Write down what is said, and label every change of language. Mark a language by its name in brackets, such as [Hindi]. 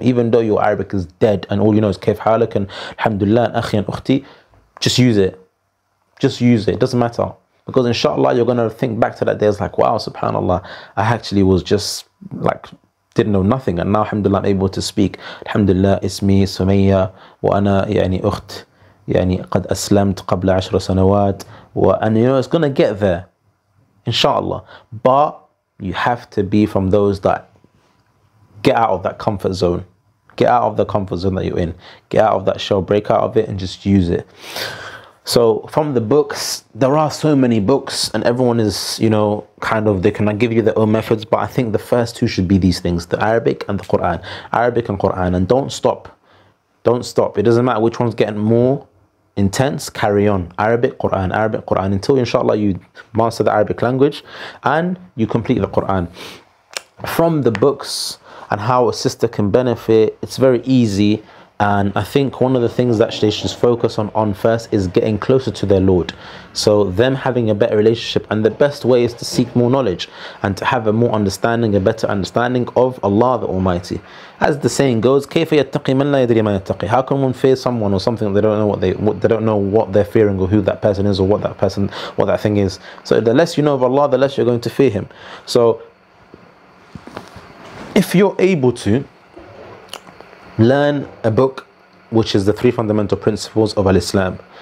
[English] Even though your Arabic is dead and all you know is [Arabic] كيف حالك [English] and Alhamdulillah and [Arabic] أخي [English] and [Arabic] أختي, [English] just use it. Just use it. It doesn't matter. Because inshallah, you're going to think back to that day. It's like, wow, subhanAllah, I actually was just like, didn't know nothing. And now, Alhamdulillah, I'm able to speak. [Arabic] Alhamdulillah, اسمي سمية وأنا يعني أخت يعني قد أسلمت قبل 10 سنوات. [English] And you know, it's going to get there. Inshallah. But you have to be from those that get out of that comfort zone. Get out of the comfort zone that you're in. Get out of that shell, break out of it and just use it. So from the books, there are so many books and everyone is, you know, kind of, they can give you their own methods. But I think the first two should be these things, the Arabic and the Quran. Arabic and Quran. And don't stop. Don't stop. It doesn't matter which one's getting more intense, carry on. Arabic, Quran, until inshallah you master the Arabic language and you complete the Quran. From the books and how a sister can benefit, it's very easy. And I think one of the things that they should focus on first is getting closer to their Lord. So them having a better relationship, and the best way is to seek more knowledge and to have a more understanding, a better understanding of Allah the Almighty. As the saying goes, [Arabic] كيف يتقي من لا يدري ما يتقي? [English] How can one fear someone or something they don't know what they're fearing or who that person is or what that thing is. So the less you know of Allah, the less you're going to fear Him. So if you're able to learn a book which is the three fundamental principles of Al-Islam.